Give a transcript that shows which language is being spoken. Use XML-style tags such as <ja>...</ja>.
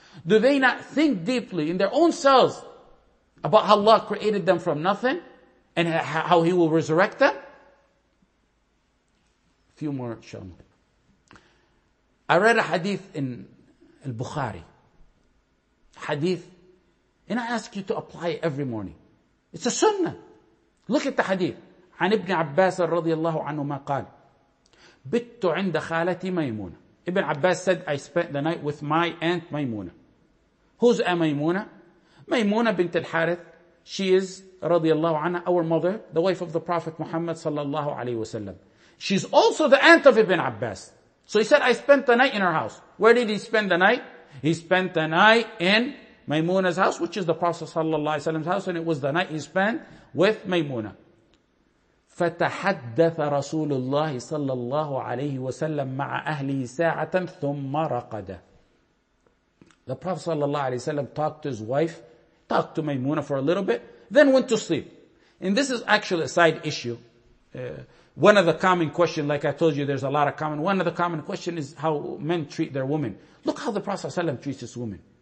<en>Do they not think deeply in their own selves about how Allah created them from nothing and how He will resurrect them? A few more, inshallah. I read a hadith in al-Bukhari. Hadith. And I ask you to apply it every morning. It's a sunnah. Look at the hadith.</en> <ar>عن ابن عباس رضي الله عنه ما قال. بت عند خالتي ميمونة.</ar> <en>Ibn Abbas said, I spent the night with my aunt Maymuna. Who's Maymuna? Maymuna bint al-Harith. She is, radiallahu anha, our mother, the wife of the Prophet Muhammad sallallahu alayhi wa sallam. She's also the aunt of Ibn Abbas. So he said, I spent the night in her house. Where did he spend the night? He spent the night in Maymuna's house, which is the Prophet sallallahu alayhi wa sallam's house, and it was the night he spent with Maymuna.</en> <ar>فتحدث رسول الله صلى الله عليه وسلم مع أهله ساعة ثم رقد.</ar> <en>The Prophet</en> <ar>صلى الله عليه وسلم</ar> <en>talked to his wife, talked to Maymuna for a little bit, then went to sleep. And this is actually a side issue. One of the common questions, like I told you, there's a lot of common. One of the common questions is how men treat their women. Look how the Prophet</en> <ar>صلى الله عليه وسلم</ar> <en>treats his woman.</en>